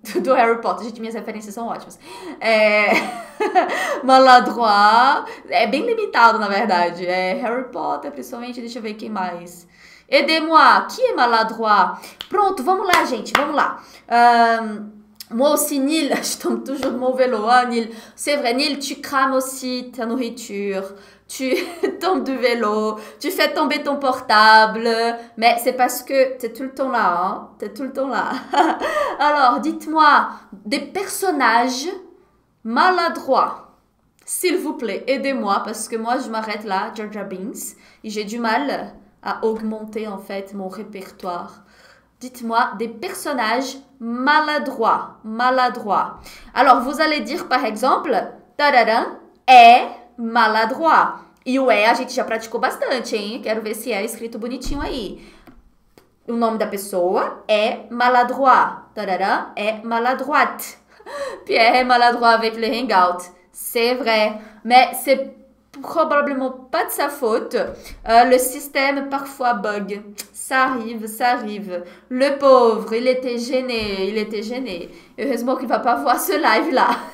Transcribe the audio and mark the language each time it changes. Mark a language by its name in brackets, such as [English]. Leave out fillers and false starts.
[Portuguese] Do Harry Potter, gente, minhas referências são ótimas. Maladroit. É bem limitado, na verdade. É Harry Potter, principalmente. Deixa eu ver quem mais. [French] Aidez-moi, qui est maladroit? [Portuguese] Pronto, vamos lá, gente, vamos lá. [French] Moi aussi, Nil, je tombe toujours mauvais l'eau, hein, Nil. C'est vrai, Nil, tu crames aussi ta nourriture. Tu tombes du vélo, tu fais tomber ton portable, mais c'est parce que t'es tout le temps là, hein? T'es tout le temps là. Alors, dites-moi, des personnages maladroits, s'il vous plaît, aidez-moi, parce que moi, je m'arrête là, Jar Jar Binks, et j'ai du mal à augmenter, en fait, mon répertoire. Dites-moi, des personnages maladroits, maladroits. Alors, vous allez dire, par exemple, tararan, est maladroit. [Portuguese] E o é a gente já praticou bastante, hein? Quero ver se é escrito bonitinho aí. O nome da pessoa é maladroit. Tarará, é maladroite. [French] Pierre é maladroit avec le hangout. C'est vrai. Mais c'est probablement pas de sa faute. Le système parfois bug. Ça arrive, ça arrive. Le pauvre, il était gêné, il était gêné. Heureusement qu'il va pas voir ce live-là.